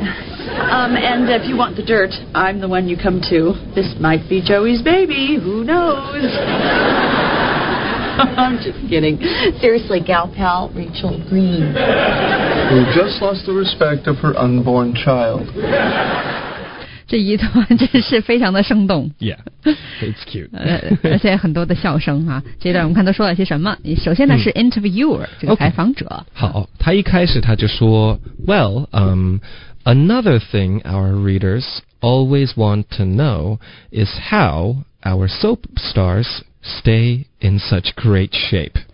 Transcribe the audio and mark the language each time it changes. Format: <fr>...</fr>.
<en>And if you want the dirt, I'm the one you come to. This might be Joey's baby. Who knows? I'm just kidding. Seriously, gal pal Rachel Green. Who just lost the respect of her unborn child.</en> <zh>这一段真是非常的生动。</zh> <en>Yeah, it's cute.</en> <zh>而且很多的笑声啊，这段我们看都说了些什么。首先呢是 interviewer, 这个采访者。</zh> <en>Okay.</en> <zh>好，他一开始他就说</zh> <en>,well, another thing our readers always want to know is how our soap stars stay in such great shape.</en>